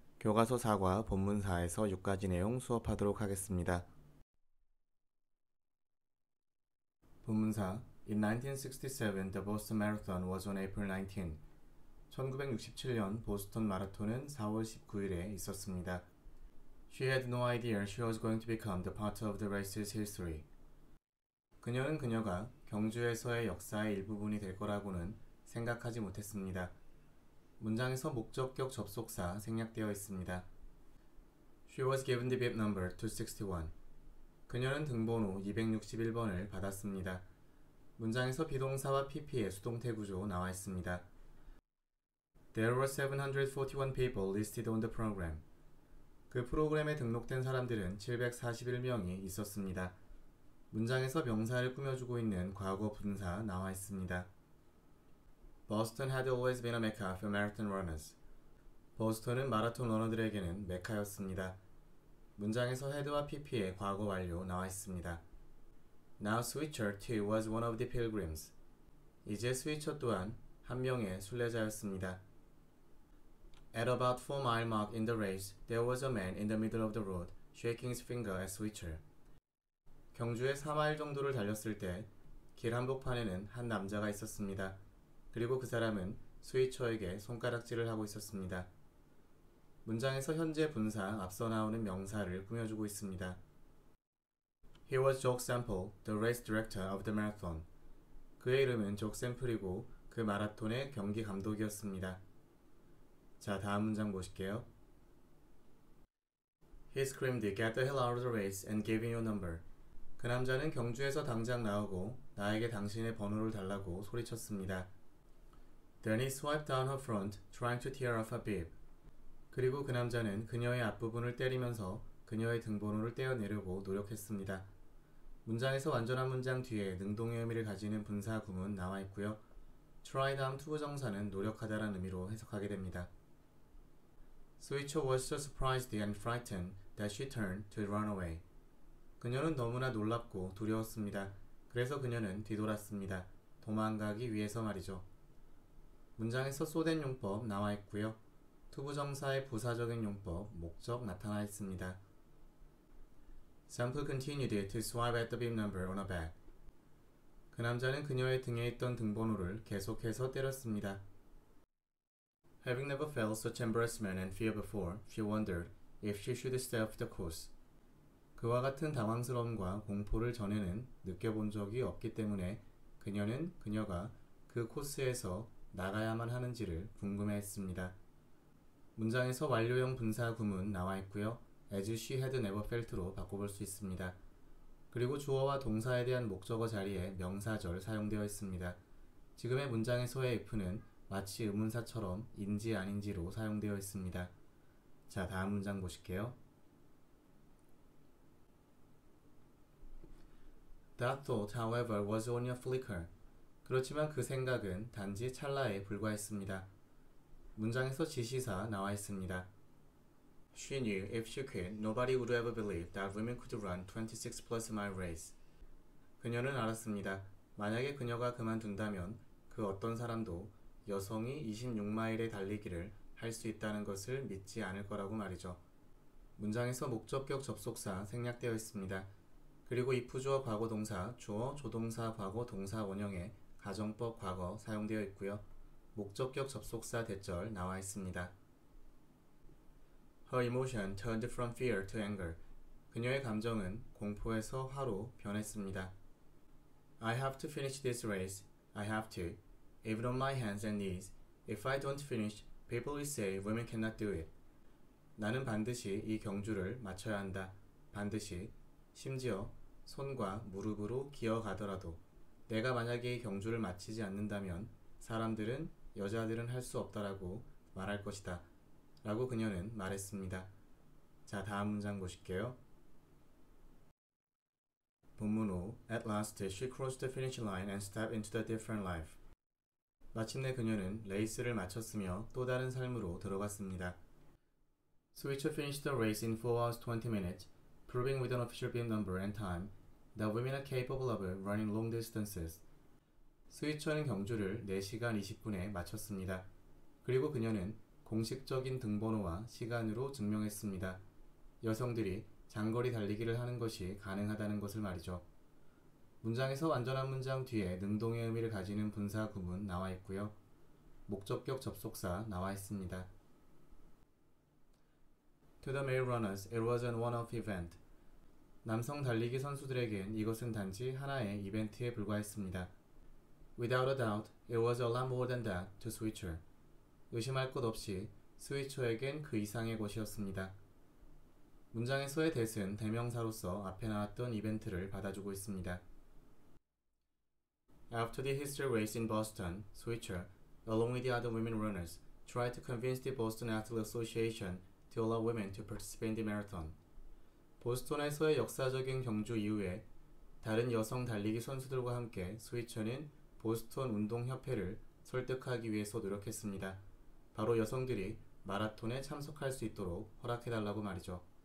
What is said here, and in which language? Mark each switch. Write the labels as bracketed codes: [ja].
[ko] 교과서 4과 본문 4에서 6가지 내용 수업하도록 하겠습니다. 본문 4. [en] In 1967, the Boston Marathon was on April 19. [ko] 1967년 보스턴 마라톤은 4월 19일에 있었습니다. [en] She had no idea she was going to become the part of the race's history. [ko] 그녀는 그녀가 경주에서의 역사의 일부분이 될 거라고는 생각하지 못했습니다. 문장에서 목적격 접속사 생략되어 있습니다. [en] She was given the bib number 261. [ko] 그녀는 등번호 261번을 받았습니다. 문장에서 비동사와 PP의 수동태 구조 나와 있습니다. [en] There were 741 people listed on the program. [ko] 그 프로그램에 등록된 사람들은 741명이 있었습니다. 문장에서 명사를 꾸며주고 있는 과거 분사 나와 있습니다. [en] Boston had always been a mecca for marathon runners. [ko] 보스턴은 마라톤 러너들에게는 메카였습니다. 문장에서 head와 pp의 과거 완료 나와 있습니다. [en] Now Switcher too was one of the pilgrims. [ko] 이제 스위처 또한 한 명의 순례자였습니다. [en] At about 4-mile mark in the race, there was a man in the middle of the road, shaking his finger at Switcher. [ko] 경주에 4마일 정도를 달렸을 때 길 한복판에는 한 남자가 있었습니다. 그리고 그 사람은 스위처에게 손가락질을 하고 있었습니다. 문장에서 현재 분사 앞서 나오는 명사를 꾸며주고 있습니다. [en] He was Jock Sample, the race director of the marathon. [ko] 그의 이름은 Jock Sample이고 그 마라톤의 경기 감독이었습니다. 자, 다음 문장 보실게요. [en] He screamed, "Get the hell out of the race and give me your number." [ko] 그 남자는 경주에서 당장 나오고 나에게 당신의 번호를 달라고 소리쳤습니다. [en] Then he swiped down her front, trying to tear off her bib. [ko] 그리고 그 남자는 그녀의 앞부분을 때리면서 그녀의 등번호를 떼어내려고 노력했습니다. 문장에서 완전한 문장 뒤에 능동의 의미를 가지는 분사 구문 나와 있고요. [en] Try down to [ko] 정사는 노력하다라는 의미로 해석하게 됩니다. [en] Switcher was so surprised and frightened that she turned to run away. [ko] 그녀는 너무나 놀랍고 두려웠습니다. 그래서 그녀는 뒤돌았습니다. 도망가기 위해서 말이죠. 문장에서 소된 용법 나와 있고요. 투부 정사의 부사적인 용법, 목적 나타나 있습니다. [en] Sample continued to swipe at the bib number on her back. [ko] 그 남자는 그녀의 등에 있던 등번호를 계속해서 때렸습니다. [en] Having never felt such embarrassment and fear before, she wondered if she should stay off the course. [ko] 그와 같은 당황스러움과 공포를 전에는 느껴본 적이 없기 때문에 그녀는 그녀가 그 코스에서 나가야만 하는지를 궁금해했습니다. 문장에서 완료형 분사 구문 나와 있고요. [en] As she had never felt로 [ko] 바꿔볼 수 있습니다. 그리고 주어와 동사에 대한 목적어 자리에 명사절 사용되어 있습니다. 지금의 문장에서의 if는 마치 의문사처럼 인지 아닌지로 사용되어 있습니다. 자, 다음 문장 보실게요. [en] That thought, however, was only a flicker. [ko] 그렇지만 그 생각은 단지 찰나에 불과했습니다. 문장에서 지시사 나와 있습니다. [en] She knew if she quit, nobody would ever believe that women could run 26 plus mile race. [ko] 그녀는 알았습니다. 만약에 그녀가 그만둔다면 그 어떤 사람도 여성이 26마일의 달리기를 할 수 있다는 것을 믿지 않을 거라고 말이죠. 문장에서 목적격 접속사 생략되어 있습니다. 그리고 if 주어 과거 동사, 주어 조동사 과거 동사 원형에 가정법 과거 사용되어 있고요. 목적격 접속사 대절 나와 있습니다. [en] Her emotion turned from fear to anger. [ko] 그녀의 감정은 공포에서 화로 변했습니다. [en] I have to finish this race. I have to. Even on my hands and knees. If I don't finish, people will say women cannot do it. [ko] 나는 반드시 이 경주를 마쳐야 한다. 반드시. 심지어 손과 무릎으로 기어가더라도. 내가 만약에 이 경주를 마치지 않는다면 사람들은, 여자들은 할수 없다라고 말할 것이다. 라고 그녀는 말했습니다. 자, 다음 문장 보실게요. 본문 5. [en] At last, she crossed the finish line and stepped into the different life. [ko] 마침내 그녀는 레이스를 마쳤으며 또 다른 삶으로 들어갔습니다. [en] Switcher finished the race in 4 hours 20 minutes, proving with an official bib number and time that women are capable of running long distances. [ko] 스위처는 경주를 4시간 20분에 마쳤습니다. 그리고 그녀는 공식적인 등번호와 시간으로 증명했습니다. 여성들이 장거리 달리기를 하는 것이 가능하다는 것을 말이죠. 문장에서 완전한 문장 뒤에 능동의 의미를 가지는 분사 구문 나와 있고요. 목적격 접속사 나와 있습니다. [en] To the male runners, it was a one-off event. [ko] 남성 달리기 선수들에겐 이것은 단지 하나의 이벤트에 불과했습니다. [en] Without a doubt, it was a lot more than that to Switcher. [ko] 의심할 것 없이 스위처에겐 그 이상의 것이었습니다. 문장에서의 that은 대명사로서 앞에 나왔던 이벤트를 받아주고 있습니다. [en] After the history race in Boston, Switcher, along with the other women runners, tried to convince the Boston Athletic Association to allow women to participate in the marathon. [ko] 보스턴에서의 역사적인 경주 이후에 다른 여성 달리기 선수들과 함께 스위처는 보스턴 운동협회를 설득하기 위해서 노력했습니다. 바로 여성들이 마라톤에 참석할 수 있도록 허락해달라고 말이죠.